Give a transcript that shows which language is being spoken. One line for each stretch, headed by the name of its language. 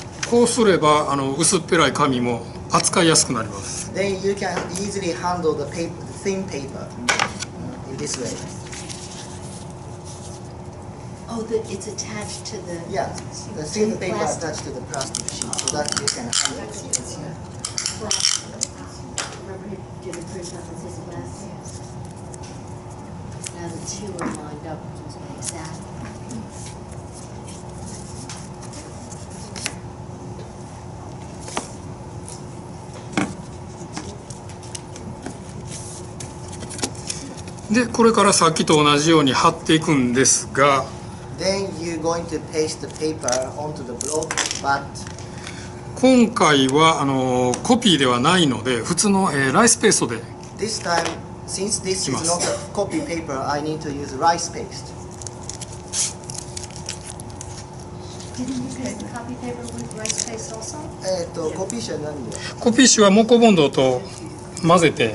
Japanese: こうすれば、あの薄っぺらい紙も扱いやすくなります。
English: Then you can easily handle the paper, the thin paper in this way. Oh, the, it's attached to the... Yeah, the thin paper plastic. Attached to the plastic sheet, so that you can handle it. Remember, he did a print on this glass. Now the two are lined up, just like that.
Japanese: で、これからさっきと同じように貼っていくんですが、
English: Then you're going to paste the paper onto the block, but
Japanese: 今回はあのコピーではないので、普通の、ライスペーストで。
English: This time, since this is not a copy paper, I need to use rice paste. Didn't you use the copy paper with rice paste also?
Japanese: コピー紙は何で？コピー紙はモコボンドと混ぜて。